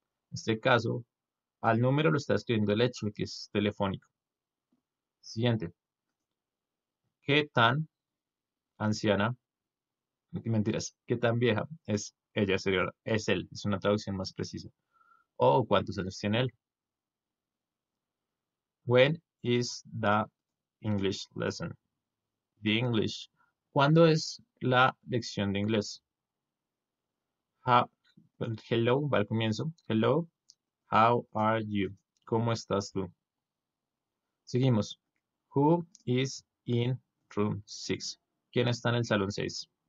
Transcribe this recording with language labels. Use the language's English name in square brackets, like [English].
[Spanish] En este caso, al número lo está escribiendo el hecho de que es telefónico. Siguiente. ¿Qué tan anciana? Mentiras. ¿Qué tan vieja es ella? Sería, es él. Es una traducción más precisa. ¿O cuántos años tiene él? [English] When is the English lesson? The English. [Spanish] ¿Cuándo es la lección de inglés? Hello, va al comienzo. [English] Hello, how are you? [Spanish] ¿Cómo estás tú? Seguimos. [English] Who is in room 6? [Spanish] ¿Quién está en el salón 6?